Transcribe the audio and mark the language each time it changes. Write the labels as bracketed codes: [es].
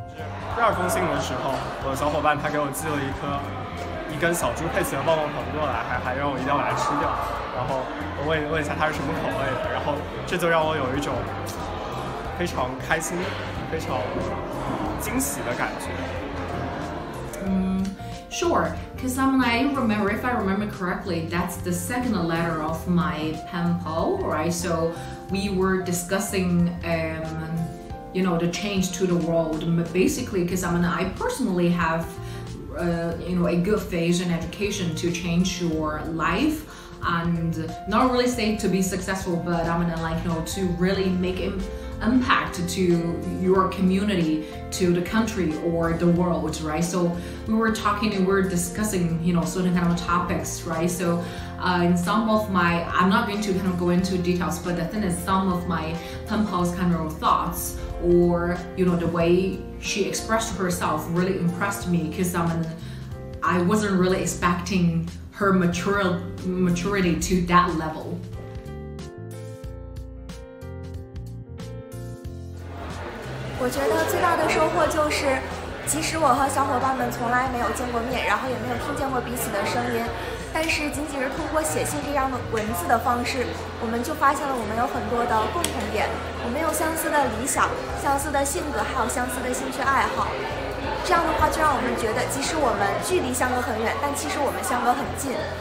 [zh] 第二封信的时候，我的小伙伴他给我寄了一根小猪佩奇的棒棒糖过来，还让我一定要把它吃掉。然后我问一下它是什么口味的，然后这就让我有一种非常开心、非常惊喜的感觉。 [en] Sure, because if I remember correctly, that's the second letter of my pen pal, right? So we were discussing, you know, the change to the world. Basically, because I mean, I personally have, you know, a good phase in education to change your life and not really say to be successful, but I mean, like, you know, to really make impact to your community, to the country or the world, right? So we were talking and we were discussing, you know, certain kind of topics, right? So in some of my, I'm not going to kind of go into details, but the thing is some of my pen pal's kind of thoughts or, you know, the way she expressed herself really impressed me because I wasn't really expecting her maturity to that level. [zh] 我觉得最大的收获就是即使我和小伙伴们从来没有见过面，然后也没有听见过彼此的声音，但是仅仅是通过写信这样的文字的方式，我们就发现了我们有很多的共同点，我们有相似的理想、相似的性格，还有相似的兴趣爱好，这样的话就让我们觉得即使我们距离相隔很远，但其实我们相隔很近。